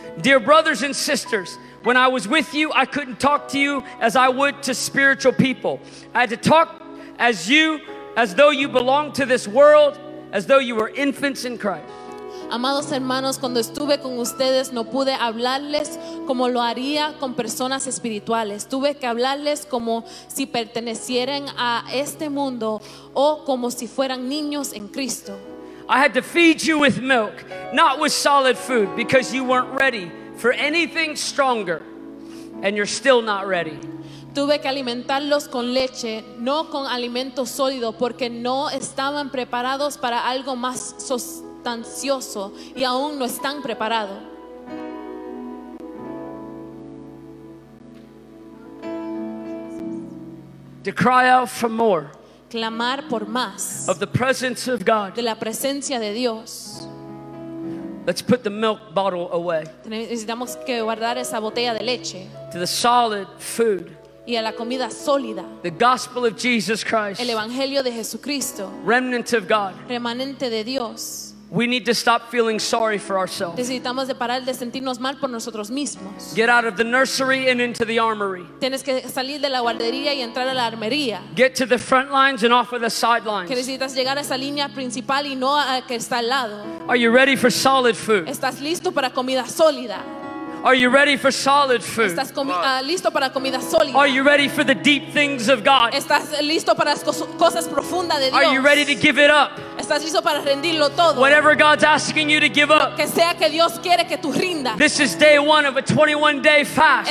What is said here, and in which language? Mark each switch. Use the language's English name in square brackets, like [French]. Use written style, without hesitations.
[English] "Dear brothers and sisters, when I was with you, I couldn't talk to you as I would to spiritual people. I had to talk as though you belonged to this world, as though you were infants in Christ." [Spanish] Amados hermanos, cuando estuve con ustedes no pude hablarles como lo haría con personas espirituales. Tuve que hablarles como si pertenecieran a este mundo o como si fueran niños en Cristo. [English] I had to feed you with milk, not with solid food, because you weren't ready for anything stronger, and you're still not ready. [Spanish] Tuve que alimentarlos con leche, no con alimento sólido, porque no estaban preparados para algo más sostenible. Ansioso y aún no están preparado. [English] To cry out for more. [Spanish] Clamar por más. [English] Of the presence of God. [Spanish] De la presencia de Dios. [English] Let's put the milk bottle away. [Spanish] Necesitamos que guardar esa botella de leche. [English] To the solid food. [Spanish] Y a la comida sólida. [English] The gospel of Jesus Christ. [Spanish] El evangelio de Jesucristo. [English] Remnant of God. [Spanish] Remanente de Dios. [English] We need to stop feeling sorry for ourselves. [Spanish] Necesitamos de parar de sentirnos mal por nosotros mismos. [English] Get out of the nursery and into the armory. [Spanish] Tienes que salir de la guardería y entrar a la armería. [English] Get to the front lines and off of the sidelines. [Spanish] Que necesitas llegar a esa línea principal y no a que está al lado. [English] Are you ready for solid food? [Spanish] ¿Estás listo para comida sólida? [English] Are you ready for solid food? [Spanish] ¿Estás listo para comida sólida? [English] Are you ready for the deep things of God? [Spanish] ¿Estás listo para las cosas profundas de Dios? [English] Are you ready to give it up? [Spanish] ¿Estás listo para rendirlo todo? [English] Whatever God's asking you to give up. [Spanish] Lo que sea que Dios quiere que tú rindas. [English] This is day one of a 21 day fast.